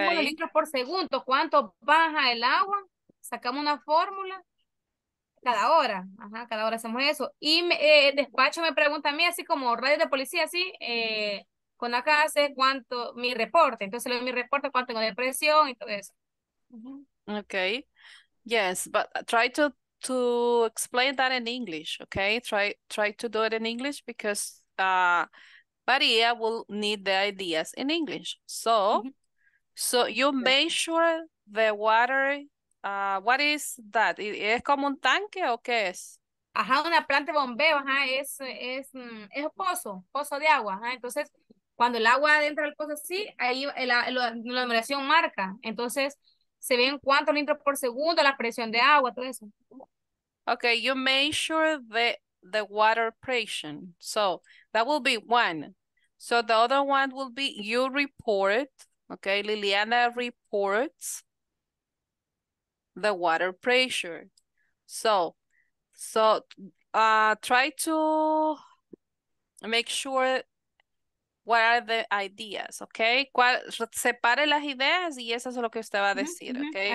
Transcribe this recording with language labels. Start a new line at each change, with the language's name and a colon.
Spanish: Vemos los litros por segundo, cuánto baja el agua. Sacamos una fórmula cada hora. Ajá, cada hora hacemos eso. Y el despacho me pregunta a mí, así como radio de policía, así, cuando acá hace cuánto mi reporte. Entonces le doy mi reporte, cuánto tengo de presión y todo eso.
English: Okay. Yes, but try to explain that in English, okay? Try to do it in English because María will need the ideas in English. So, so you measure the water. What is that?
Spanish: ¿Es como un tanque o qué es? Ajá, una planta de bombeo, ajá, es un pozo de agua, ajá. Entonces, cuando el agua entra al pozo así, ahí la numeración marca. Entonces, se ven cuántos litros por segundo, la presión de agua, todo eso.
English: Okay, you measure the water pressure. So, that will be one. So, the other one will be you report, okay, Liliana reports the water pressure. So try to make sure what are the ideas, okay?
Spanish: Separe las ideas y eso es lo que usted va a decir, okay?